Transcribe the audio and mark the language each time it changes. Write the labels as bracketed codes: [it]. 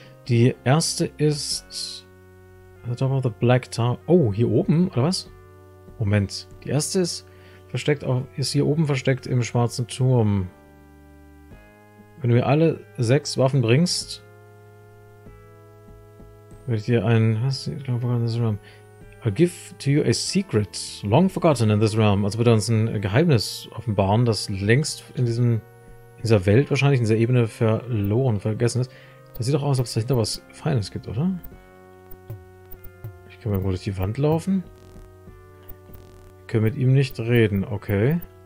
[de] Die erste ist. [en] The top of the Black Tower. [de] Oh, hier oben, oder was? Moment. Die erste ist. Versteckt auch, ist hier oben versteckt im schwarzen Turm. Wenn du mir alle 6 Waffen bringst, werde ich dir ein. Was? Ich glaube, [en] in this realm. I'll give to you a secret, long forgotten in this realm. [de] Also wird er uns ein Geheimnis offenbaren, das längst in diesem, in dieser Welt wahrscheinlich, in dieser Ebene verloren, vergessen ist. Das sieht doch aus, als ob es dahinter was Feines gibt, oder? Ich kann mal gut durch die Wand laufen. Können mit ihm nicht reden, okay.